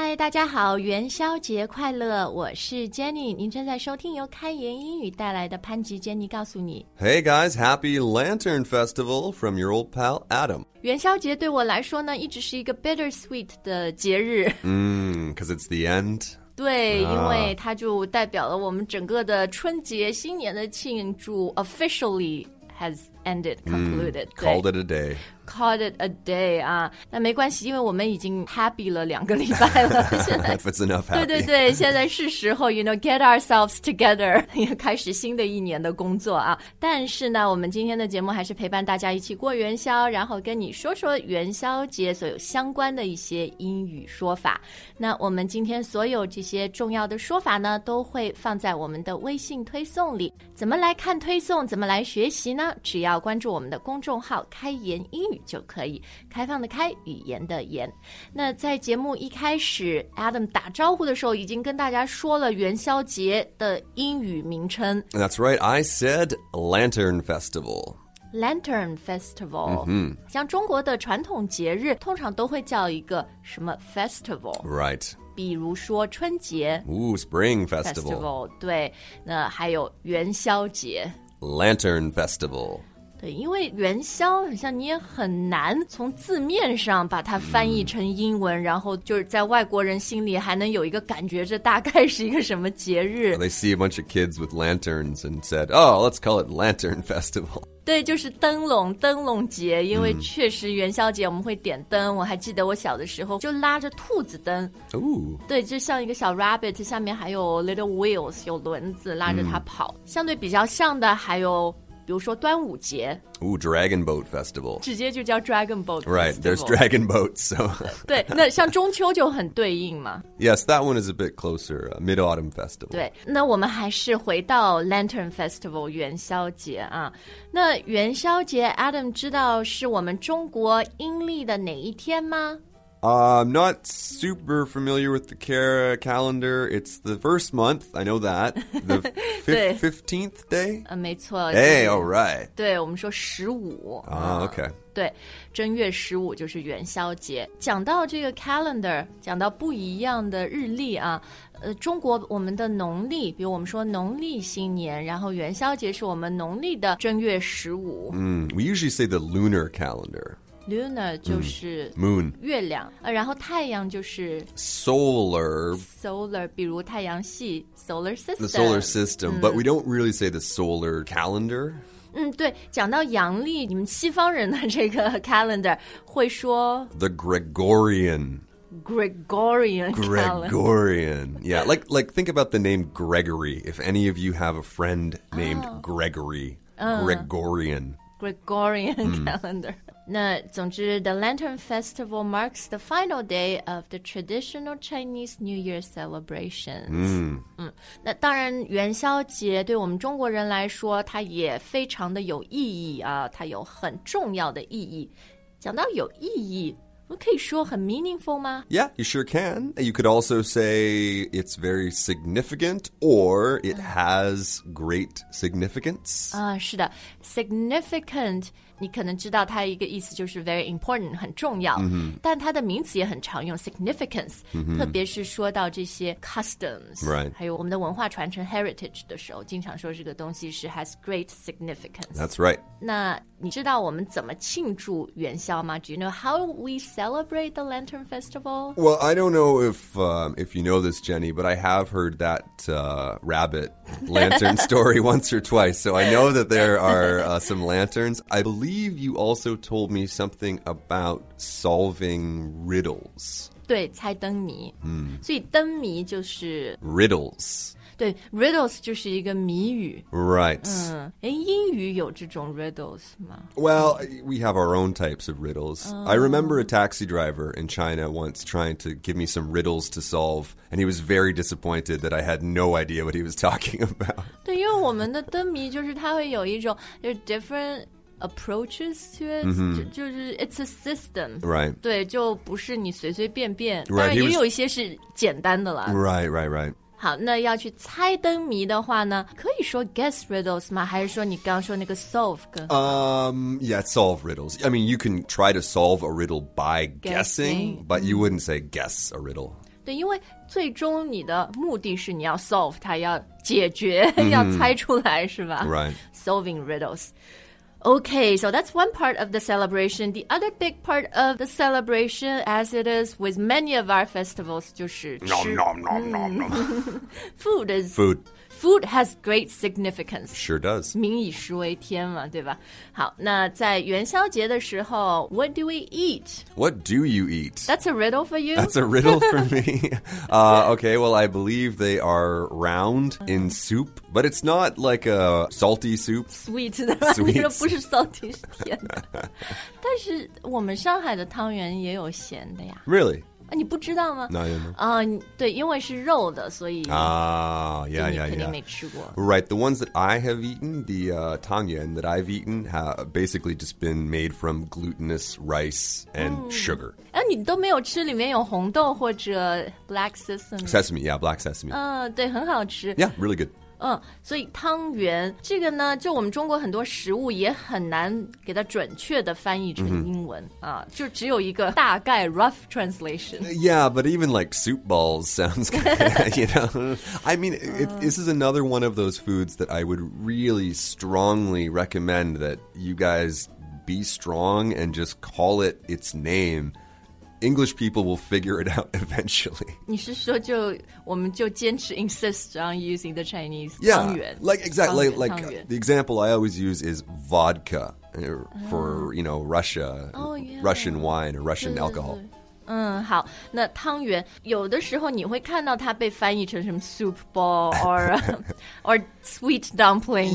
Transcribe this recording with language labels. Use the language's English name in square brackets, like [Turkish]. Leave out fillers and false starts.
[Chinese] 家好，元宵节快乐，我是 Jenny， 您正在收听由开言英语带来的潘吉 Jenny 告诉你。 [English] Hey guys, happy Lantern Festival from your old pal Adam. [Chinese] 元宵节对我来说呢，一直是一个 bittersweet 的节日。 [English] Because it's the end. [Chinese] 对、因为它就代表了我们整个的春节新年的庆祝 [English] officially has ended, concluded.、 called it a day. Called it a day [Chinese] 啊，那没关系，因为我们已经 happy 了两个礼拜了。 [English] If it's enough happy. [Chinese] 对对对，现在是时候 ， [English] you know, get ourselves together， [Chinese] 开始新的一年的工作啊。但是呢，我们今天的节目还是陪伴大家一起过元宵，然后跟你说说元宵节所有相关的一些英语说法。那我们今天所有这些重要的说法呢，都会放在我们的微信推送里。怎么来看推送？怎么来学习呢？只要关注我们的公众号“开言英语”。就可以开放的开语言的言那在节目一开始 Adam 打招呼的时候已经跟大家说了元宵节的英语名称 [English] That's right, I said Lantern Festival Lantern Festival、 mm-hmm. [Chinese] 像中国的传统节日通常都会叫一个什么 Festival [English] Right [Chinese] 比如说春节 [English] Ooh, Spring Festival. [Chinese] Festival 对那还有元宵节 [English] Lantern Festival [Chinese] 对，因为元宵好像你也很难从字面上把它翻译成英文、然后就是在外国人心里还能有一个感觉这大概是一个什么节日。 [English] They see a bunch of kids with lanterns and said, oh, let's call it Lantern Festival. [Chinese] 对，就是灯笼，灯笼节，因为确实元宵节我们会点灯。我还记得我小的时候就拉着兔子灯。 Ooh. 对，就像一个小 rabbit, 下面还有 [English] little wheels, [Chinese] 有轮子拉着它跑。相对比较像的还有比如说端午节 [English] Ooh, Dragon Boat Festival [Chinese] 直接就叫 Dragon Boat Festival [English] Right, there's Dragon Boats、so. [Chinese] 对那像中秋就很对应嘛 [English] Yes, that one is a bit closer、Mid-Autumn Festival [Chinese] 对那我们还是回到 Lantern Festival 元宵节啊。那元宵节 Adam 知道是我们中国阴历的哪一天吗 [English] I'm not super familiar with the calendar. It's the first month, I know that. The 15th day? [Chinese] 没错。 [English] Hey, all right. [Chinese] 对,我们说十五。 [English] Okay. [Chinese] 对,正月十五就是元宵节。讲到这个 calendar, 讲到不一样的日历啊,中国我们的农历,比如我们说农历新年,然后元宵节是我们农历的正月十五。 [English] We usually say the lunar calendar. [Chinese] Lunar 就是 [English] moon [Chinese] 月亮、然后太阳就是 [English] solar [Chinese] 比如太阳系 solar system [English] the solar system、but we don't really say the solar calendar [Chinese] 对讲到阳历你们西方人的这个 calendar 会说 [English] the Gregorian yeah like think about the name Gregory if any of you have a friend named、Gregory Gregorian [Chinese] calendar、那总之 [English] The Lantern Festival marks the final day of the traditional Chinese New Year celebrations、 [Chinese] 那当然元宵节对我们中国人来说它也非常的有意义啊，它有很重要的意义讲到有意义我可以说很 meaningful 吗 [English] Yeah, you sure can You could also say it's very significant Or it has great significance [Chinese] 是的 Significant 你可能知道它一个意思就是 [English] very important [Chinese] 很重要、但它的名词也很常用 significance、特别是说到这些 customs、 [English] right. [Chinese] 还有我们的文化传承 heritage 的时候经常说这个东西是 [English] has great significance That's right [Chinese] 那你知道我们怎么庆祝元宵吗 [English] Do you know how we celebrate the Lantern Festival? Well, I don't know if you know this, Jenny, but I have heard that、rabbit lantern story once or twice, so I know that there are、some lanterns. I believe you also told me something about solving riddles. [Chinese] 对,猜灯谜。所以灯谜就是 [English] Riddles. [Chinese] 对 ,riddles 就是一个谜语。 [English] Right. [Chinese] 英语有这种 riddles 吗 [English] Well, we have our own types of riddles.、I remember a taxi driver in China once trying to give me some riddles to solve, and he was very disappointed that I had no idea what he was talking about. [Chinese] 对因为我们的灯谜就是它会有一种 [English] there's different approaches to it,、 [Chinese] 就是 [English] it's a system. Right. [Chinese] 对就不是你随随便便。 [English] Right, [Chinese] 当然也有一些是简单的啦。 [English] Right. [Chinese] 好那要去猜灯谜的话呢可以说 [English] guess riddles [Chinese] 吗还是说你刚刚说那个 solve 更好、 [English] Yeah, solve riddles. I mean, you can try to solve a riddle by guessing, but you wouldn't say guess a riddle. [Chinese] 对，因为最终你的目的是你要 solve 它，要解决，要猜出来，是吧？ [English] Right. Solving riddles. Okay, so that's one part of the celebration. The other big part of the celebration, as it is with many of our festivals, [Chinese] 就是吃。 Nom, nom, nom, nom, nom. [English] Food is... Food. Food has great significance. Sure does. [Chinese] 民以食为天嘛，对吧？好，那在元宵节的时候 ， [English] What do we eat? What do you eat? That's a riddle for you. That's a riddle for me. okay, well, I believe they are round in soup, but it's not like a salty soup. Sweet. Sweet. [Chinese] 不是 salty, 是甜的。但是我们上海的汤圆也有咸的呀。 [English] Really? [Chinese] 你不知道吗？那有吗？对，因为是肉的，所以你肯定没吃过。 [English] Right, the ones that I have eaten, the tang yuan that I've eaten, have basically just been made from glutinous rice and sugar. [Chinese] 你都没有吃里面有红豆或者 black sesame? [English] Sesame, yeah, black sesame. [Chinese] 对，很好吃。 [English] Yeah, really good. [Chinese] 所以汤圆这个呢，就我们中国很多食物也很难给它准确的翻译成英文、mm-hmm. 就只有一个大概 [English] rough translation. Yeah, but even like soup balls sounds good, you know. I mean, this is another one of those foods that I would really strongly recommend that you guys be strong and just call it its name. English people will figure it out eventually. [Chinese] 你是说就我们就坚持 [English] insist on using the Chinese yeah, [Chinese] 汤圆 [English] like exactly 汤圆, like 汤圆 the example I always use is vodka for you know Russia Russian wine or Russian alcohol. [Chinese] 好，那汤圆有的时候你会看到它被翻译成什么 [English] soup ball or or sweet dumplings.